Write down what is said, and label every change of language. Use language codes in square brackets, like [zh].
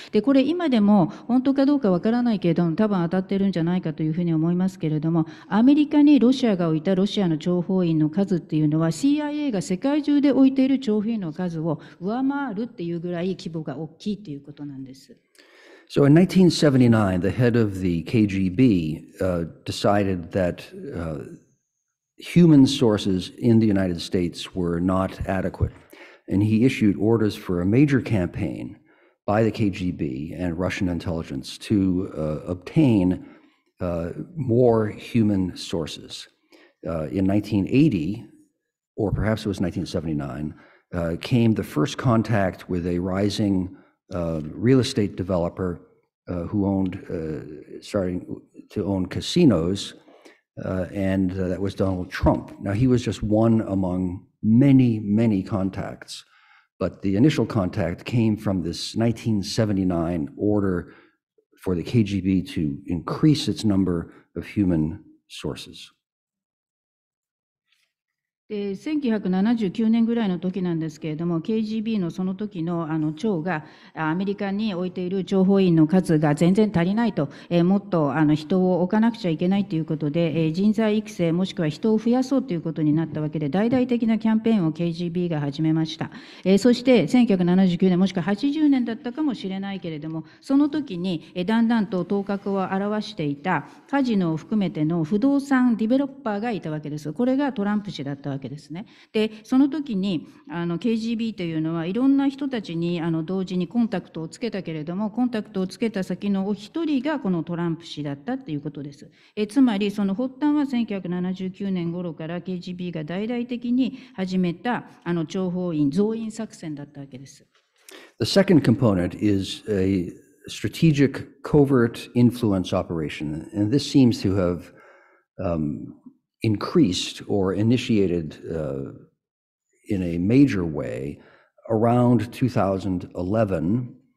[ja] でこれ今でも本当かどうかわからないけれども多分当たってるんじゃないかというふうに思いますけれども、アメリカにロシアが置いたロシアの諜報員の数っていうのは CIA が世界中で置いている諜報員の数を上回るっていうぐらい規模が大きいっていうことなんです。 [en] So in 1979, the head of the KGB decided that human sources in the United States were not adequate. And he issued orders for a major campaign by the KGB and Russian intelligence to obtain more human sources. In 1980, or perhaps it was 1979, came the first contact with a rising real estate developer who owned, starting to own casinos, and that was Donald Trump. Now, he was just one among many, many contacts, but the initial contact came from this 1979 order for the KGB to increase its number of human sources. [ja] 1979年ぐらいの時なんですけれども、KGB のその時の長がアメリカに置いている諜報員の数が全然足りないと、もっと人を置かなくちゃいけないということで、人材育成もしくは人を増やそうということになったわけで、大々的なキャンペーンを KGB が始めました。そして1979年もしくは80年だったかもしれないけれども、その時にだんだんと頭角を現していたカジノを含めての不動産ディベロッパーがいたわけです。これがトランプ氏だったわけですね。でその時にKGB というのはいろんな人たちに同時にコンタクトをつけたけれども、コンタクトをつけた先のお一人がこのトランプ氏だったということです。つまりその発端は1979年頃から KGB が大々的に始めた諜報員増員作戦だったわけです。 [en] The second component is a strategic covert influence operation, and this seems to have increased or initiated in a major way around 2011.